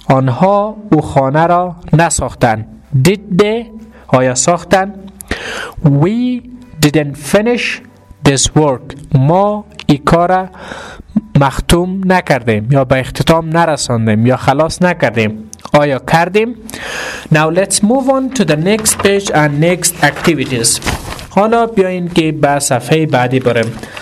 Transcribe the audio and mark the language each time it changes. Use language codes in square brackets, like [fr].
[fa] آنها او خانه را نساختن. [en] Did they? [fa] آیا ساختن؟ [en] We didn't finish this work. [fa] ما ای کار مختوم نکردیم یا به اختتام نرساندیم یا خلاص نکردیم. آیا کردیم؟ [en] Now let's move on to the next page and next activities. [fa] حالا بیاین که به صفحه بعدی بریم.